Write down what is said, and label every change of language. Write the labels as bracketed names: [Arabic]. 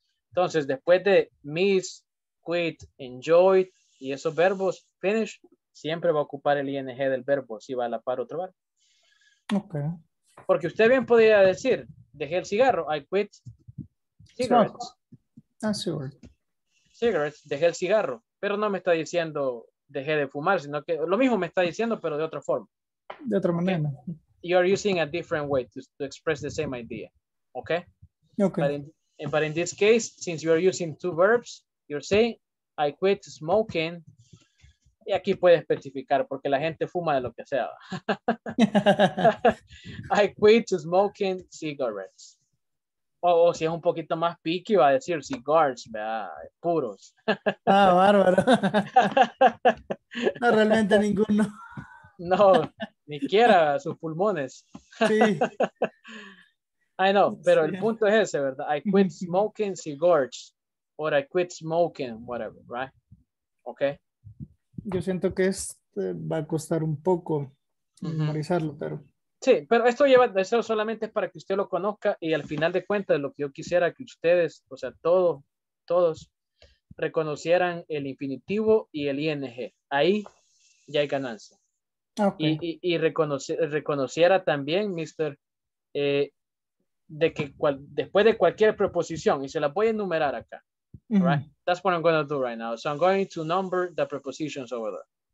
[Spanish] Entonces, después de miss, quit, enjoy, y esos verbos, finish, siempre va a ocupar el ING del verbo si va a la par otro verbo. Ok. Porque usted bien podría decir, dejé el cigarro, [English] I quit cigarettes. That's your word. [Spanish] Cigarettes, dejé el cigarro. Pero no me está diciendo dejé de fumar, sino que lo mismo me está diciendo, pero de otra forma. De otra manera. Okay. [English] You are using a different way to express the same idea. Ok. Ok. But in this case, since you are using two verbs, you're saying, I quit smoking. [Spanish] Y aquí puede especificar, porque la gente fuma de lo que sea. [English] I quit smoking cigarettes. [Spanish] O si es un poquito más picky, va a decir cigars, ¿verdad? Puros. Ah, bárbaro. No, realmente ninguno. No, ni quiera sus pulmones. Sí. [English] I know, [Spanish] pero el punto es ese, ¿verdad? [English] I quit smoking cigars, or I quit smoking, whatever, right? Okay. [Spanish] Yo siento que este va a costar un poco memorizarlo, pero... Sí, pero esto lleva, eso solamente es para que usted lo conozca y al final de cuentas lo que yo quisiera que ustedes, o sea, todos reconocieran el infinitivo y el ING. Ahí ya hay ganancia. Okay. Y reconociera también, mister, de que después de cualquier preposición, y se la voy a enumerar acá. Right. [English] That's what I'm going to do right now. So I'm going to number the prepositions over there.